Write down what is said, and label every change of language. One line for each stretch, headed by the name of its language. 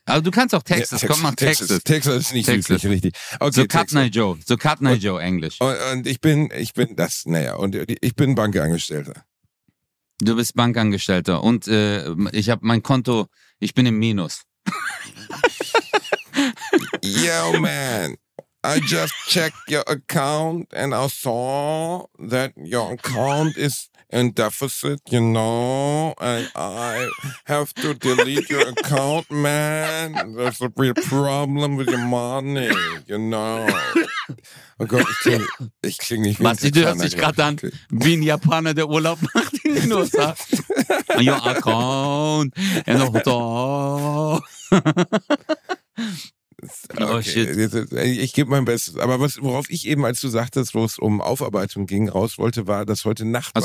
German: Also du kannst auch Texas, komm mal Texas. Texas ist nicht Texas. Südlich, richtig. Okay, so Cutney Joe, Englisch. Und ich bin Bankangestellter. Du bist Bankangestellter und ich habe mein Konto, ich bin im Minus.
English: Yo man, I just checked your account and I saw that your account is in deficit, you know, and I have to delete your account, man. There's a real problem with your money, you know.
German: Oh Gott, ich kling nicht wie ein Japaner. Du hörst dich gerade an, wie ein Japaner, der Urlaub macht in den USA.
English: Your account and a hotel. Okay. Oh shit.
German: Ich gebe mein Bestes. Aber worauf ich eben, als du sagtest, wo es um Aufarbeitung ging, raus wollte, war, dass heute Nacht